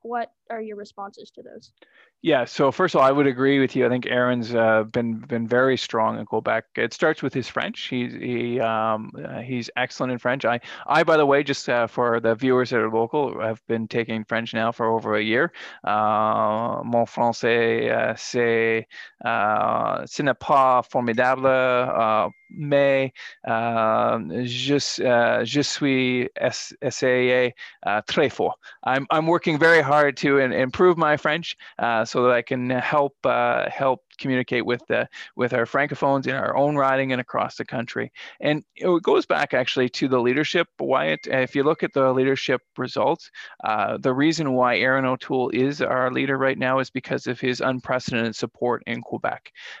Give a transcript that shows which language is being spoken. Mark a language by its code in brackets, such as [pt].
[en] What are your responses to those? Yeah, so first of all, I would agree with you. I think Aaron's been very strong in Quebec. It starts with his French. He's excellent in French. I by the way, just for the viewers that are local, have been taking French now for over a year. [fr] Mon français c'est ce n'est pas formidable, mais je suis essayé très fort. [en] I'm working very hard to improve my French, so that I can help communicate with our francophones in our own riding and across the country. And it goes back actually to the leadership, Wyatt. If you look at the leadership results, the reason why Erin O'Toole is our leader right now is because of his unprecedented support in Quebec.